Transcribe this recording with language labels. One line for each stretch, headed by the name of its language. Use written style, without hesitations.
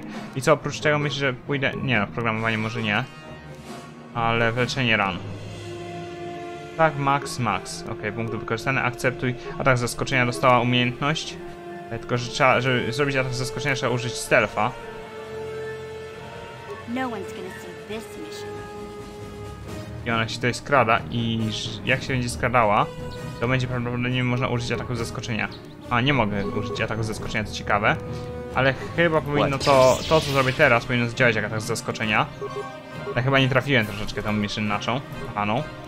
Polish: Okay. I co, oprócz tego myślę, że pójdę... Nie, programowanie może nie. Ale wyleczenie ran. Tak, max. Okej, okay, punkt wykorzystany, akceptuj. Atak zaskoczenia dostała umiejętność. Tylko, że trzeba, żeby zrobić atak zaskoczenia, trzeba użyć stealtha.
English: No one's gonna see this mission.
Polish: I ona się tutaj skrada i jak się będzie skradała, to będzie prawdopodobnie można użyć ataku zaskoczenia. A, nie mogę użyć ataku zaskoczenia, to ciekawe. Ale chyba powinno to co zrobię teraz, powinno zadziałać jak atak zaskoczenia. Ja chyba nie trafiłem troszeczkę tą maszynę naszą, paną.